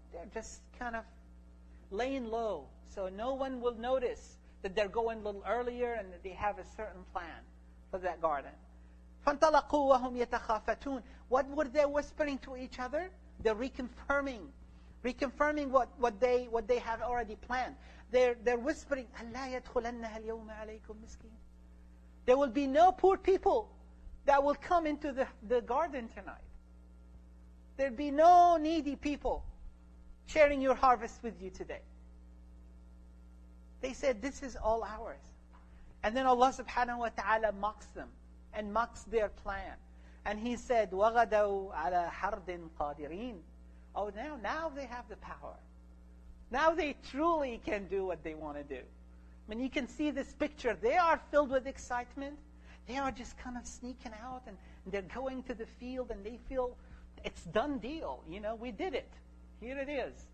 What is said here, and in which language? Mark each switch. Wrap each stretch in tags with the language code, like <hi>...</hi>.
<en>They're just kind of laying low. So no one will notice that they're going a little earlier and that they have a certain plan for that garden.</en> <ar>فَانْطَلَقُوا وَهُمْ يَتَخَافَتُونَ.</ar> <en>What were they whispering to each other? They're reconfirming what they have already planned. They're whispering,</en> <ar>أَلَّا يَدْخُلَنَّهَا الْيَوْمَ عَلَيْكُمْ مِسْكِينَ.</ar> <en>There will be no poor people that will come into the garden tonight. There'd be no needy people sharing your harvest with you today. They said, this is all ours. And then Allah subhanahu wa ta'ala mocks them and mocks their plan. And He said,</en> <ar>وَغَدَوْا عَلَى حَرْدٍ قَادِرِينَ.</ar> <en>Oh, now they have the power. Now they truly can do what they want to do. I mean, you can see this picture. They are filled with excitement. They are just kind of sneaking out and they're going to the field and they feel, it's done deal, you know, we did it. Here it is.</en>